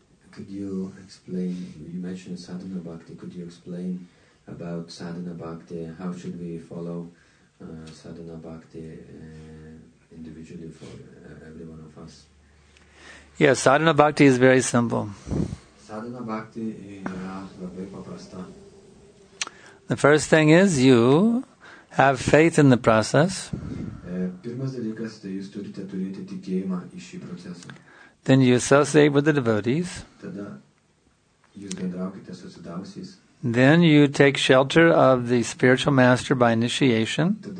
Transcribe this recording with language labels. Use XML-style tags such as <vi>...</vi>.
<en>Could you explain, you mentioned sadhana bhakti, could you explain about sadhana bhakti, how should we follow sadhana bhakti individually for every one of us? Yes, sadhana bhakti is very simple.</en> <lt>Sadhana bhakti yra labai paprasta.</lt> <en>The first thing is you have faith in the process.</en> <lt>Pirmas dalykas, tai jūs turite turėti tikėjimą į šį procesą.</lt> <en>Then you associate with the devotees.</en> <lt>Tada jūs bendraukite su sudavusiais.</lt> <en>Then you take shelter of the spiritual master by initiation.</en>